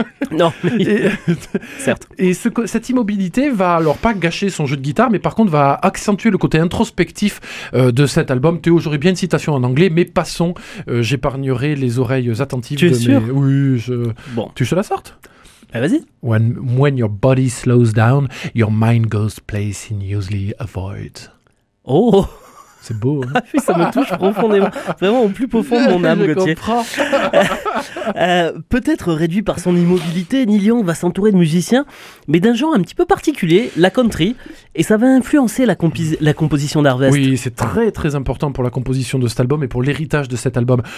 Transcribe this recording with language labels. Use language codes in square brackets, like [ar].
[fr] Non. Certes. Et cette immobilité va alors pas gâcher son jeu de guitare, mais par contre va accentuer le côté introspectif de cet album. Théo, j'aurais bien une citation en anglais, mais passons. J'épargnerai les oreilles attentives. Tu es sûr? Oui. Bon. Tu sais la sorte? Vas-y. [en] When your body slows down, your mind goes places it usually avoids. Oh. [fr] C'est beau. Hein. Ça me touche profondément. Vraiment au plus profond de mon âme, je Gauthier. Je comprends. Peut-être réduit par son immobilité, Neil Young va s'entourer de musiciens, mais d'un genre un petit peu particulier, la country. Et ça va influencer la composition d'Harvest. Oui, c'est très très important pour la composition de cet album et pour l'héritage de cet album.